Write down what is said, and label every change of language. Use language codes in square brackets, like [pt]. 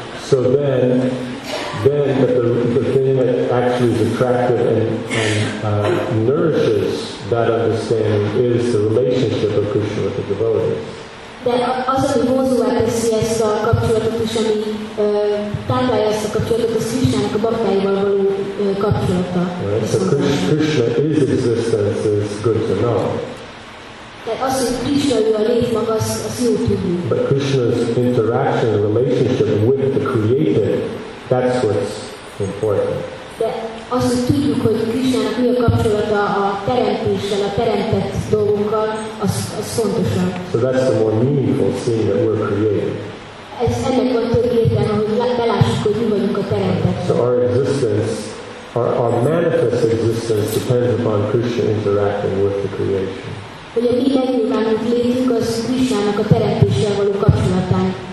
[en] So then but the thing that actually is attractive and nourishes that understanding is the relationship of Krishna with the devotees. [hu] De az, ami vonzóvá teszi ezt a kapcsolatot is, ami táplálja ezt a kapcsolatot, az Krishnának a baktáival való kapcsolata. [en] Right. So Krishna is existence is good to know. [hu] Tehát az, hogy Krishna ő a lét maga, az jó tudni. [en] But Krishna's interaction and relationship with the Creator, that's what's important. [hu] De az, hogy tudjuk, hogy Krishnának mi a kapcsolata a teremtéssel, a teremtett dolgokkal, az fontosabb. [en] So that's the more meaningful thing that we're created. [hu] Ez ennek van több értelme, hogy belássuk, hogy mi vagyunk a teremtett. [en] So our existence, our manifest existence depends upon Krishna interacting with the creation. [hu] Hogy a mi megnyilvánult létünk az Krishnának a teremtéssel való kapcsolatán.